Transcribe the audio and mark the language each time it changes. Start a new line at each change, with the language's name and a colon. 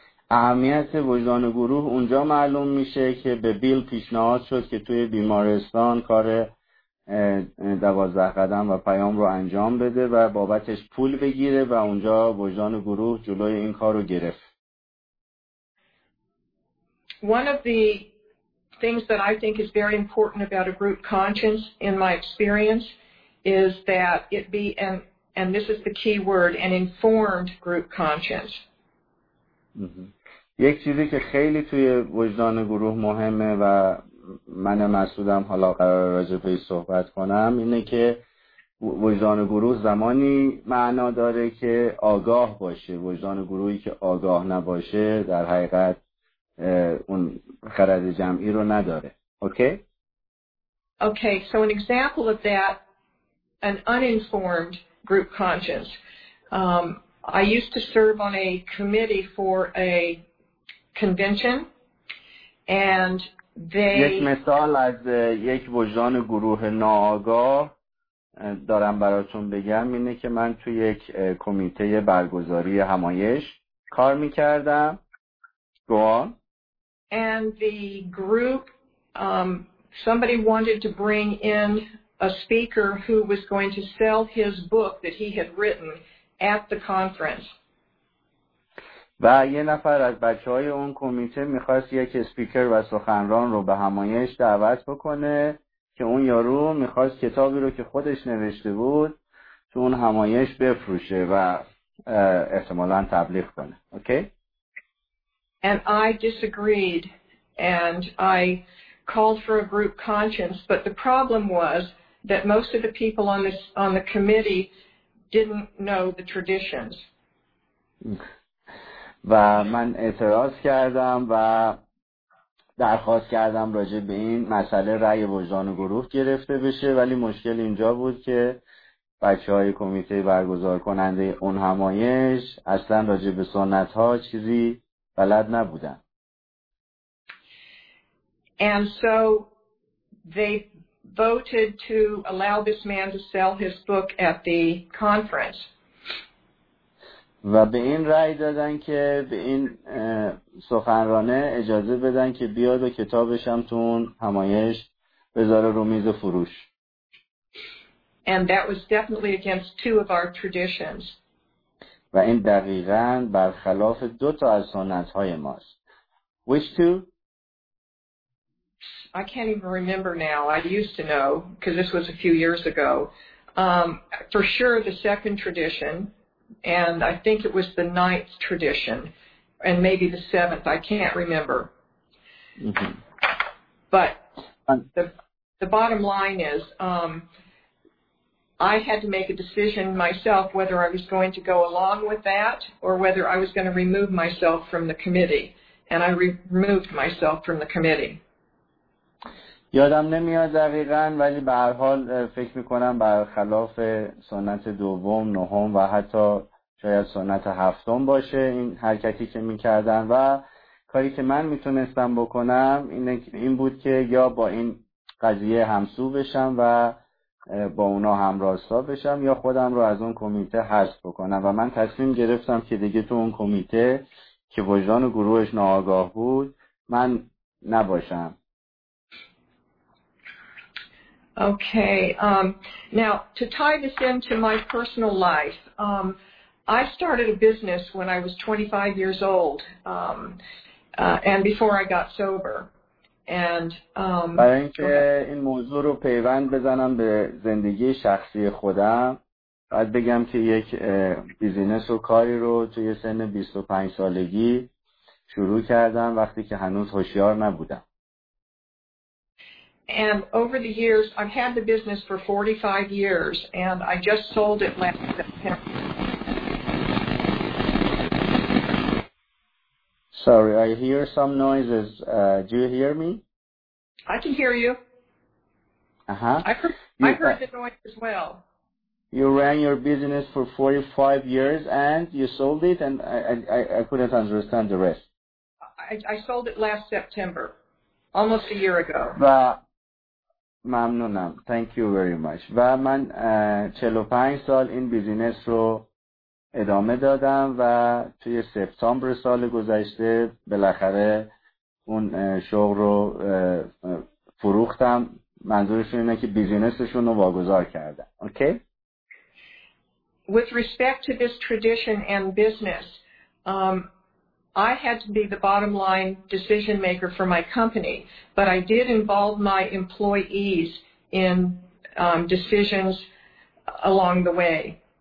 Persian: اهمیت وجدان گروه اونجا معلوم میشه که به بیل پیشنهاد شد که توی بیمارستان کار 12 قدم و پیام رو انجام بده و بابتش پول بگیره و اونجا وجدان گروه جلوی این کار رو گرفت.
English: One of the things that I think is very important about a group conscience in my experience is that it be And this is the key word, an informed group conscience.
Persian: یک چیزی که خیلی توی وجدان گروه مهمه و من مسعودم حالا قرار راجع به صحبت کنم اینه که وجدان گروه زمانی معنا داره که آگاه باشه. وجدان گروهی که آگاه نباشه در حقیقت اون خرد جمعی رو نداره.
English: Okay, so an example of that, an uninformed group conscience. I used to serve on a committee for a convention, and they.
Persian: یک مثال از یک وجدان گروه ناآگاه دارم براتون بگم اینه که من توی یک کمیته برگزاری همایش کار می‌کردم.
English: Go on. And the group, somebody wanted to bring in a speaker who was going to sell his book that he had written at the conference.
Persian: و یه نفر از بچه‌های اون کمیته می‌خواست یک اسپیکر و سخنران رو به همایش دعوت بکنه که اون یارو می‌خواست کتابی رو که خودش نوشته بود تو اون همایش بفروشه و احتمالاً تبلیغ کنه.
English: Okay? And I disagreed and I called for a group conscience, but the problem was that most of the people on the committee didn't know the traditions.
Persian: و من اعتراض کردم و درخواست کردم راجع به این مسئله رأی وجدان گروه گرفته بشه، ولی مشکل اینجا بود که بچهای کمیته برگزار کننده اون همایش اصلا راجع به سنت ها چیزی بلد نبودن.
English: And so they voted to allow this man to sell his book at the conference.
Persian: و به این رأی دادن که به این سخنرانه اجازه بدن که بیاد و کتابش هم تو اون همایش بذاره رو میز فروش.
English: And that was definitely against two of our traditions.
Persian: و این دقیقاً برخلاف دو تا از سنت‌های ماست.
English: Which two? I can't even remember now. I used to know because this was a few years ago. For sure the second tradition, and I think it was the ninth tradition, and maybe the seventh. I can't remember. Mm-hmm. But the bottom line is I had to make a decision myself whether I was going to go along with that or whether I was going to remove myself from the committee, and I removed myself from the committee.
Persian: یادم نمیاد دقیقاً، ولی به هر حال فکر میکنم برخلاف سنت دوم، نهم و حتی شاید سنت هفتم باشه این حرکتی که میکردن. و کاری که من میتونستم بکنم این بود که یا با این قضیه همسو بشم و با اونا همراستا بشم، یا خودم رو از اون کمیته حذف بکنم. و من تصمیم گرفتم که دیگه تو اون کمیته که وجدان و گروهش ناآگاه بود من نباشم.
English: Okay, now to tie this into my personal life, I started a business when I was 25 years old, and before I got sober. And
Persian: برای اینکه این موضوع رو پیوند بزنم به زندگی شخصی خودم، باید بگم که یک بیزینس و کاری رو توی سن 25 سالگی شروع کردم وقتی که هنوز هوشیار نبودم.
English: And over the years, I've had the business for 45 years, and I just sold it last September. Sorry, I hear some noises. Do you hear me? I can hear you. Uh-huh. I heard the noise as well. You ran your business for 45 years, and you sold it, and I couldn't understand the rest. I sold it last September, almost a year ago.
Persian: ممنونم.
English: Thank you very much.
Persian: و من 45 سال این بیزینس رو ادامه دادم و توی سپتامبر سال گذشته بالاخره اون شغل رو فروختم. منظورشون اینه که بیزینسشون رو واگذار کردم.
English: Okay? With respect to this tradition and business, I had to be the bottom line decision maker for my company, but I did involve my employees in decisions along the way.